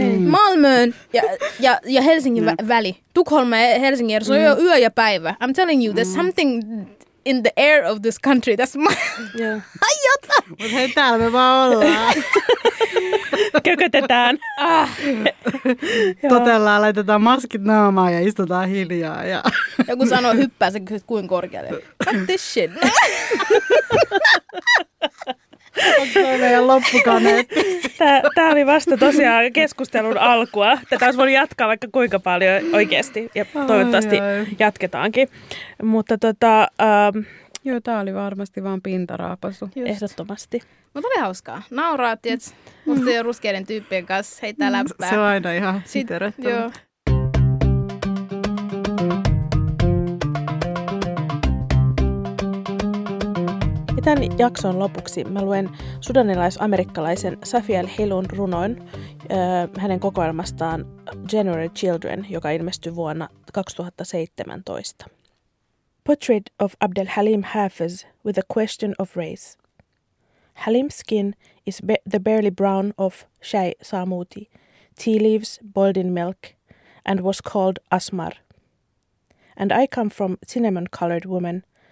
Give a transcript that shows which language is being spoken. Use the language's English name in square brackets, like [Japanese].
[Finnish] Malmöön ja Helsingin väli. Tukholma ja Helsingin. Se on jo yö ja päivä. [English] I'm telling you, there's something in the air of this country. That's my... Yeah. Ai jota! [Finnish] Mut hei, täällä me vaan ollaan. Kökötetään. Totellaan, laitetaan maskit naamaan ja istutaan hiljaa. Ja... Joku sanoo, hyppää sen, kuin korkealle. [English] Cut this shit. [Finnish] On toi meidän loppukaneet. Tämä oli vasta tosiaan keskustelun alkua. Tätä olisi voinut jatkaa vaikka kuinka paljon oikeasti. Ja toivottavasti jatketaankin. Mutta joo, tämä oli varmasti vaan pintaraapasu. Ehdottomasti. Mutta oli hauskaa. Nauraat, että musta jo ruskeiden tyyppien kanssa heittää läppää. Se on aina ihan siterettävä. Joo. Tämän jakson lopuksi mä luen sudanilais-amerikkalaisen Safiel Helun runoin hänen kokoelmastaan January Children, joka ilmestyi vuonna 2017. [English] Portrait of Abdel Halim Hafez with a question of race. Halim's skin is the barely brown of Shai Samuti, tea leaves boiled in milk, and was called Asmar. And I come from cinnamon-colored women,